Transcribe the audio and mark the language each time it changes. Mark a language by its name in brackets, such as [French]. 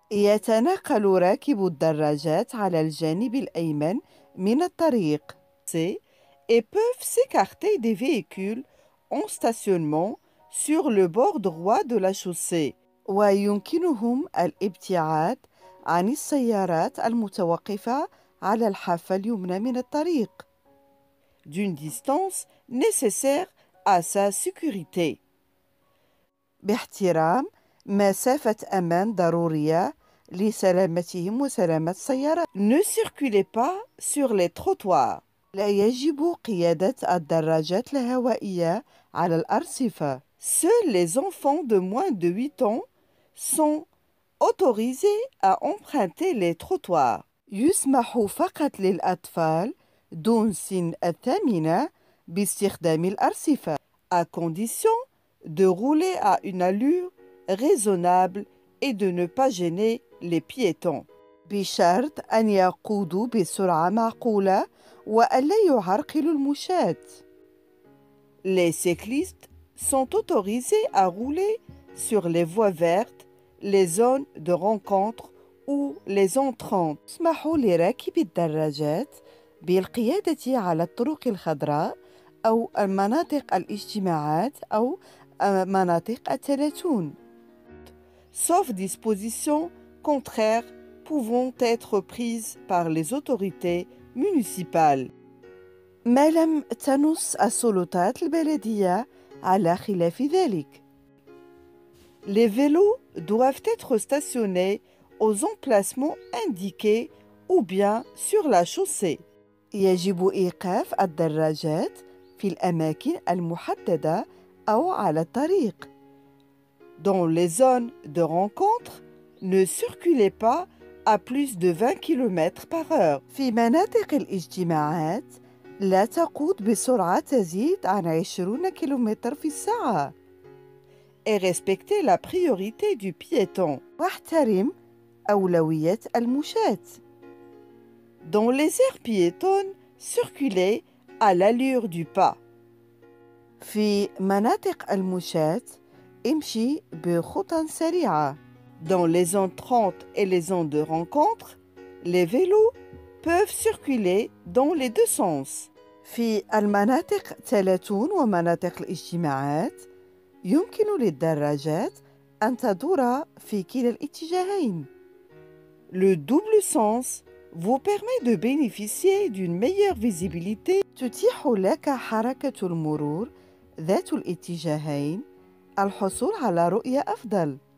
[Arabic] يتنقل راكب الدراجات على الجانب الأيمن من الطريق. [French] Et peuvent s'écarter des véhicules en stationnement sur le bord droit de la chaussée. [Arabic] ويمكنهم الابتعاد عن السيارات المتوقفة على الحافة اليمنى من الطريق. [French] D'une distance nécessaire à sa sécurité. [Arabic] باحترام مسافة أمان ضرورية لسلامتهم وسلامة السيارات. [French] Ne circulez pas sur les trottoirs. [Arabic] لا يجب قيادة الدراجات الهوائية على الأرصفة. [French] Seuls les enfants de moins de 8 ans sont autorisés à emprunter les trottoirs. [Arabic] يسمح فقط للأطفال دون سن الثامنة باستخدام الأرصفة. [French] À condition de rouler à une allure raisonnable et de ne pas gêner les piétons. [Arabic] بشرط أن يقودوا بسرعة معقولة وألا يعرقلوا المشاة. [French] Les cyclistes sont autorisés à rouler sur les voies vertes, les zones de rencontre ou les entrantes. [Arabic] يسمح لراكب الدراجات بالقيادة على الطرق الخضراء أو المناطق الاجتماعات أو مناطق التلاتون. [French] Sauf disposition contraire pouvant être prises par les autorités municipales. [Arabic] ما لم تنص السلطات البلدية على خلاف ذلك. [French] Les vélos doivent être stationnés aux emplacements indiqués ou bien sur la chaussée. [Arabic] يجب إيقاف الدراجات في الأماكن المحددة أو على الطريق. [French] Dans les zones de rencontre, ne circulez pas à plus de 20 km par heure. [Arabic] في مناطق الاجتماعات لا تقود بسرعة تزيد عن 20 كيلومتر في الساعة. [French] Et respectez la priorité du piéton. [Arabic] واحترم أولوية المشاة. [French] Dans les aires piétonnes, circulez à l'allure du pas. [Arabic] في مناطق المشاة امشي بخطى سريعة. [French] Dans les zones 30 et les zones de rencontre, les vélos peuvent circuler dans les deux sens. [Arabic] في المناطق 30 ومناطق الاجتماعات يمكن للدراجات أن تدور في كلا الاتجاهين. [French] Le double sens vous permet de bénéficier d'une meilleure visibilité. [Arabic] تتيح لك حركة المرور ذات الاتجاهين الحصول على رؤية أفضل.